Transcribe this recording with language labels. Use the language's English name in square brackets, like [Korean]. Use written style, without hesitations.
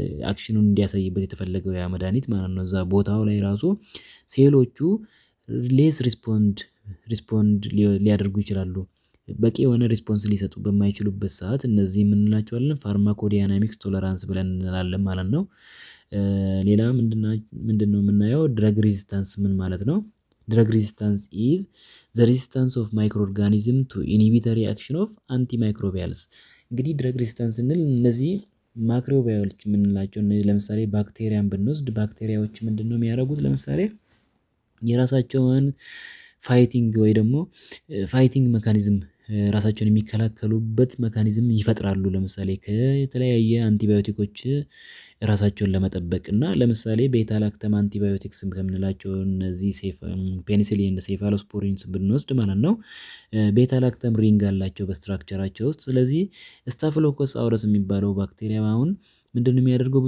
[Amharic] አክሽኑን እንዲያሳይበት የተፈለገው ያ መድኃኒት ማለት ነው። እዛ ቦታው ላይ ራሱ ሴሎቹ ሌስ ሪስፖንድ ሊያደርጉ ይችላሉ። በቂ የሆነ ሪስፖንስ ሊሰጡ በማይችሉበት ሰዓት እነዚህ የምንላቸዋለን ፋርማኮዳይናሚክስ ቶለራንስ ብለን እንላለን ማለት ነው። ሌላ ምንድን ነው የምናየው? ድረግ ሪዚስታንስ ምን ማለት ነው? [English] Drug resistance is the resistance of microorganism to inhibitory action of antimicrobials. [Amharic] እንግዲህ drug resistance እንል እነዚህ ማይክሮባዮሎጂ ምንላቸው? እነዚህ ለምሳሌ ባክቴሪያን ብንወስድ ባክቴሪያዎች ምንድነው የሚያደርጉት? ለምሳሌ የራሳቸውን ፋይቲንግ ወይ ደግሞ ፋይቲንግ መካኒዝም ራሳቸውን የሚከላከሉበት መካኒዝም ይፈጥራሉ። ለምሳሌ ከተለያየ አንቲባዮቲኮች ራሳቸውን ለመጠበቅ እና ለምሳሌ ቤታ ላክተም አንቲባዮቲክስ ከምንላቸው እነዚህ ፔኒሲሊን፣ ሴፋሎስፖሪንስ ብንወስድ ማለት ነው ቤታ ላክተም ሪንግ አላቸው በስትራክቸራቸው ውስጥ። ስለዚህ ስታፍሎኮስ አውረስ የሚባለው ባክቴሪያ አሁን ምንድነው የሚያደርገው?